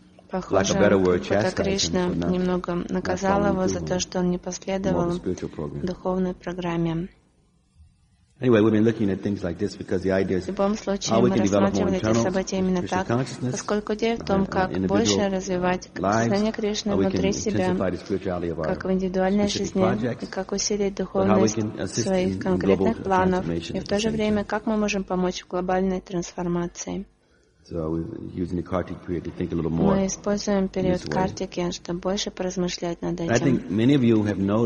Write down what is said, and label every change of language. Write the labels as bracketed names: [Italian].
[Russian] Похоже, будто Кришна немного наказал его за то, что он не последовал духовной программе. [English] Anyway, we've been looking at things like this because the idea is how we can develop more internal Krishna consciousness, [Russian] как больше развивать сознание Кришны внутри себя, как в индивидуальной жизни, как усилить духовность своих конкретных планов, и в то же время, как мы можем помочь в глобальной трансформации. Мы используем период Картики, чтобы больше поразмышлять над этим.